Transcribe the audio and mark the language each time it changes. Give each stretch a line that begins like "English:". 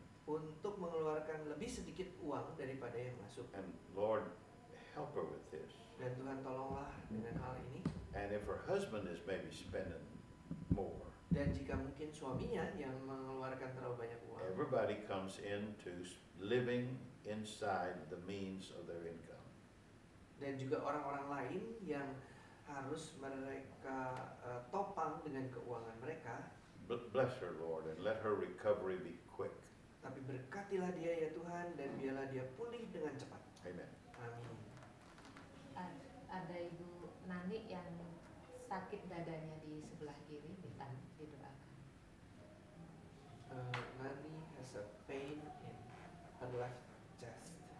Indonesian: untuk mengeluarkan lebih sedikit uang daripada yang masuk.
English: And Lord, help her with this.
Indonesian: Dan Tuhan tolonglah dengan hal ini.
English: And if her husband is maybe spending more.
Indonesian: Dan jika mungkin suaminya yang mengeluarkan terlalu banyak uang.
English: Everybody comes into living inside the means of their income.
Indonesian: Dan juga orang-orang lain yang harus mereka topang dengan keuangan mereka.
English: Bless her, Lord, and let her recovery be quick.
Indonesian: Tapi berkatilah dia ya Tuhan, dan biarlah dia pulih dengan cepat.
English: Amen.
Indonesian: Amin. Ada Ibu Nani yang sakit dadanya di sebelah kiri, minta didoakan.
English: Nani has a pain in her left chest.